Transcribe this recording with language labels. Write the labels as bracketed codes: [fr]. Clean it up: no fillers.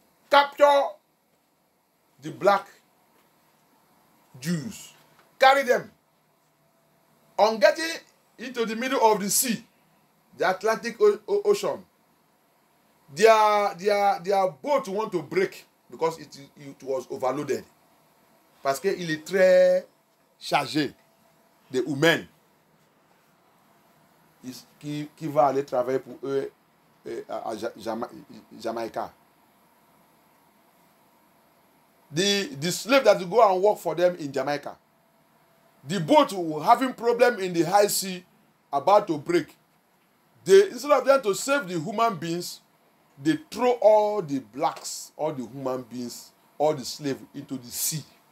[en] Capture the black Jews. Carry them. On getting into the middle of the sea, the Atlantic Ocean, their boat want to break because it was overloaded. [fr] Parce qu'il est très chargé de humain qui va aller travailler pour eux à Jamaica. [en] The slave that go and work for them in Jamaica. The boat having problem in the high sea about to break. Instead of them to save the human beings, they throw all the blacks, all the human beings, all the slaves into the sea.